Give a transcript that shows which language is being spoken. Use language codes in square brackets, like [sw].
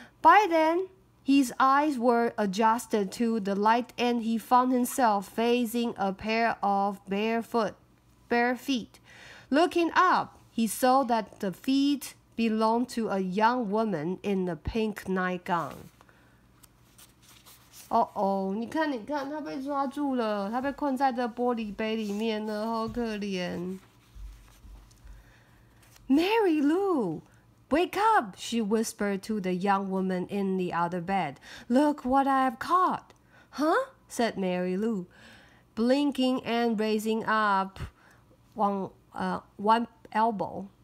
[en] By then, his eyes were adjusted to the light and he found himself facing a pair of bare feet. Looking up, he saw that the feet belonged to a young woman in a pink nightgown. [zh] Uh-oh, 你看,他被抓住了,他被困在这玻璃杯里面了,好可怜。 [en] Mary Lou, wake up, she whispered to the young woman in the other bed. Look what I have caught. Huh? Said Mary Lou, blinking and raising up one elbow.